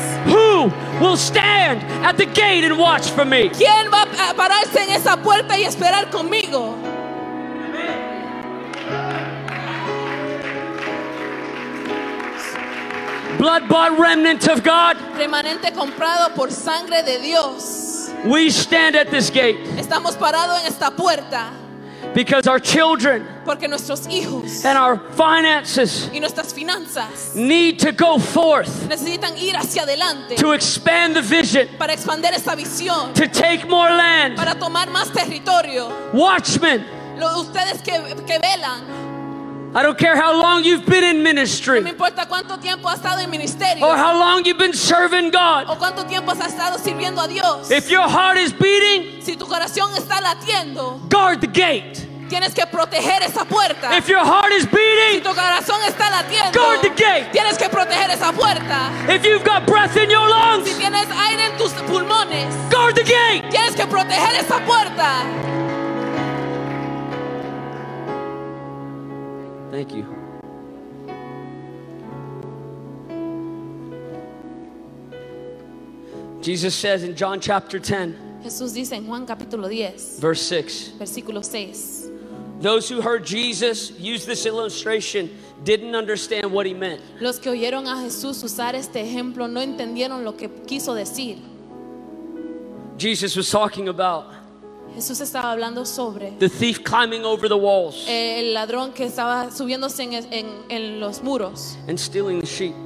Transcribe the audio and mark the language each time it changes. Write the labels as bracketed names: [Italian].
[English] Who will stand at the gate and watch for me? [Spanish] ¿Quién va a pararse en esa puerta y esperar conmigo? [English] Blood-bought remnant of God. [Spanish] Remanente comprado por sangre de Dios. [English] We stand at this gate. [Spanish] Estamos parados en esta puerta. [English] Because our children [Spanish] porque nuestros hijos [English] and our finances [Spanish] y nuestras finanzas [English] need to go forth [Spanish] necesitan ir hacia adelante [English] to expand the vision [Spanish] para expandir esta visión [English] to take more land [Spanish] para tomar más territorio [English] watchmen [Spanish] ustedes que velan [English] I don't care how long you've been in ministry. [Spanish] No me importa cuánto tiempo has estado en ministerio. [English] Or how long you've been serving God. [Spanish] O cuánto tiempo has estado sirviendo a Dios. [English] If your heart is beating, [Spanish] si tu corazón está latiendo, [English] guard the gate. [Spanish] Tienes que proteger esa puerta. [English] If your heart is beating, [Spanish] si tu corazón está latiendo, [English] guard the gate. [Spanish] Tienes que proteger esa puerta. [English] If you've got breath in your lungs, [Spanish] si tienes aire en tus pulmones, [English] guard the gate. [Spanish] Tienes que proteger esa puerta. [English] Thank you. Jesus says in John chapter 10, [Spanish] Jesús dice en Juan capítulo 10, [English] verse 6, [Spanish] versículo 6, [English] those who heard Jesus use this illustration didn't understand what he meant. [Spanish] Los que oyeron a Jesús usar este ejemplo no entendieron lo que quiso decir. [English] Jesus was talking about [Spanish] Jesús estaba hablando sobre [English] the thief climbing over the walls, [Spanish] el ladrón que estaba subiéndose en los muros, [English] and stealing the sheep,